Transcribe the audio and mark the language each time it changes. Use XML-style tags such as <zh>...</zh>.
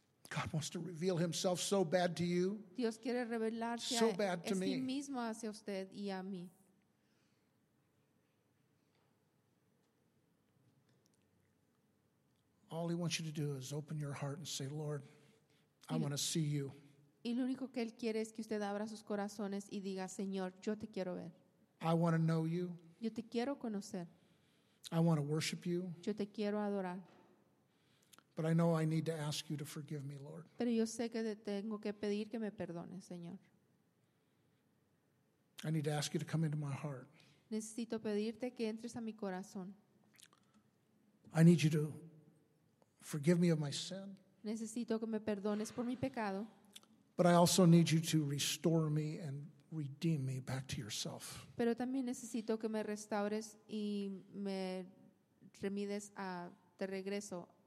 <en>God wants to reveal himself so bad to you.</en> <es>Dios quiere revelarse</es> <en>so bad to me.</en> <es>Sí mismo hacia usted y a mí.</es> <en>All he wants you to do is open your heart and say, "Lord, I want to see you."</en> <es>Y lo único que él quiere es que usted abra sus corazones y diga, "Señor, yo te quiero ver."</es> <en>I want to know you.</en> <es>Yo te quiero conocer.</es> <en>I want to worship you.</en> <es>Yo te quiero adorar.</es> <en>But I know I need to ask you to forgive me, Lord.</en> <es>Pero yo sé que tengo que pedir que me perdones, Señor.</es> <en>I need to ask you to come into my heart.</en> <es>Necesito pedirte que entres a mi corazón.</es> <en>I need you to forgive me of my sin.</en> <es>Necesito que me perdones por mi pecado.</es> <en>But I also need you to restore me and redeem me back to yourself.</en> <es>Pero también necesito que me restaures y me remides a de regreso</es>